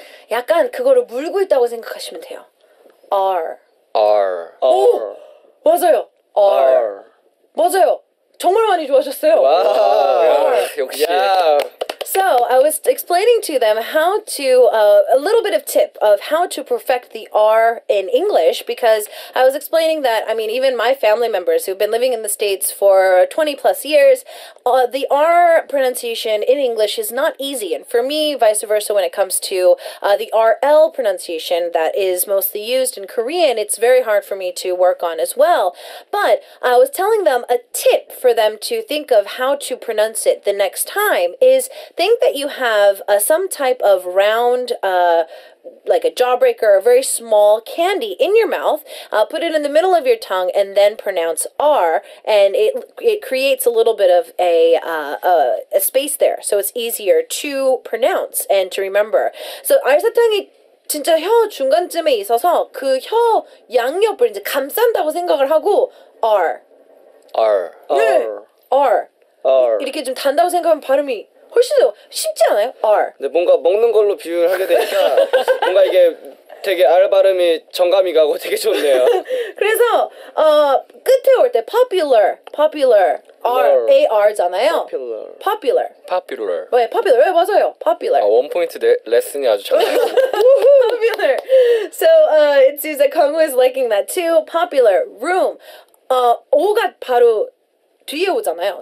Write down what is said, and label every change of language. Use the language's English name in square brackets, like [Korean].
[Korean] 약간 그거를 물고 있다고 생각하시면 돼요. [English] R. R. [Korean] 오! 맞아요. R. 맞아요. 정말 많이 좋아하셨어요. 와, 역시. [English] So I was explaining to them how to a little bit of tip of how to perfect the R in English because I was explaining that I mean even my family members who've been living in the States for 20 plus years the R pronunciation in English is not easy and for me vice versa when it comes to the RL pronunciation that is mostly used in Korean it's very hard for me to work on as well but I was telling them a tip for them to think of how to pronounce it the next time is think that you have some type of round, like a jawbreaker, a very small candy in your mouth, put it in the middle of your tongue, and then pronounce R, and it creates a little bit of a space there, so it's easier to pronounce and to remember. [Korean] So 알사탕이 진짜 혀 중간쯤에 있어서 그 혀 양옆을 이제 감싼다고 생각을 하고 R. [English] R. R. R. [Korean] 이렇게 좀 단다고 생각하면 발음이 훨씬 더 쉽지 않아요? R. 근데 뭔가 먹는 걸로 비유를 하게 되니까 뭔가 이게 되게 알 발음이 정감이 가고 되게 좋네요. 그래서 끝에 올 때 popular R A R잖아요. [English] Popular. [Korean] 왜 popular? 왜 맞아요? Popular. 아, 원포인트 레슨이 아주 잘. [English] popular. So it seems that Kongu is liking that too. Popular room. [Korean] 오가 바로 뒤에 오잖아요.